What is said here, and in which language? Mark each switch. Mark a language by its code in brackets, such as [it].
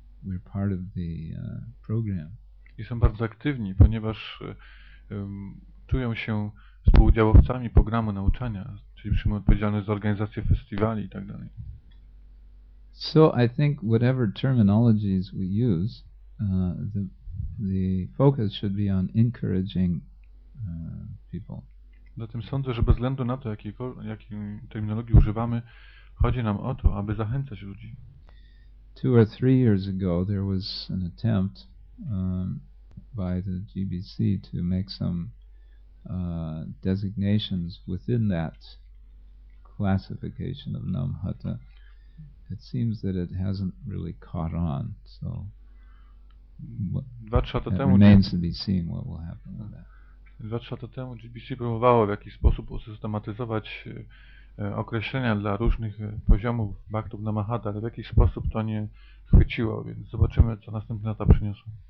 [en] We're part of the program. [pl] I są bardzo aktywni, ponieważ czują się współudziałowcami programu nauczania, czyli przyjmują odpowiedzialność za organizację festiwali i tak dalej. [en] So I think whatever terminologies we use, the focus should be on encouraging people. [pl] Zatem sądzę, że bez względu na to, jakiej terminologii używamy, chodzi nam o to, aby zachęcać ludzi. [en] Two or three years ago there was an attempt by the GBC to make some designations within that classification of Namhata. It seems that it hasn't really caught on, so remains to be seen what will happen with that. [pl] 2-3 lata temu GBC próbowało w jakiś sposób usystematyzować określenia dla różnych poziomów baktów Namahata, ale w jakiś sposób to nie chwyciło, więc zobaczymy, co następne lata przyniosą.